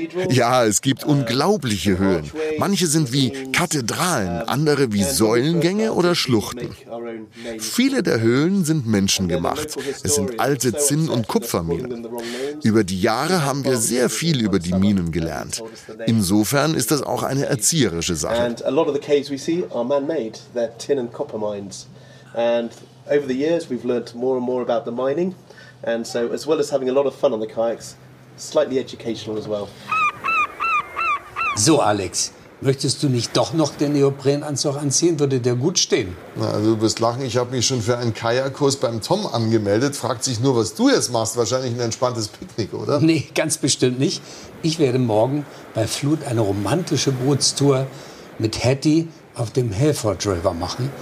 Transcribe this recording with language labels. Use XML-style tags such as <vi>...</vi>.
<de>Ja, es gibt unglaubliche Höhlen. Manche sind wie Kathedralen, andere wie Säulengänge oder Schluchten. Viele der Höhlen sind menschengemacht. Es sind alte Zinn- und Kupferminen. Über die Jahre haben wir sehr viel über die Minen gelernt. Insofern ist das auch eine erzieherische Sache.</de> <en>And a lot of the caves we see are man-made. They're tin and copper mines. And over the years we've learned more and more about the mining. And so, as well as having a lot of fun on the kayaks, slightly educational as well.</en> <de>So, Alex, möchtest du nicht doch noch den Neoprenanzug anziehen? Würde der gut stehen? Na, du wirst lachen. Ich habe mich schon für einen Kajakkurs beim Tom angemeldet. Fragt sich nur, was du jetzt machst. Wahrscheinlich ein entspanntes Picknick, oder? Nee, ganz bestimmt nicht. Ich werde morgen bei Flut eine romantische Bootstour mit Hattie auf dem Halford River machen.</de>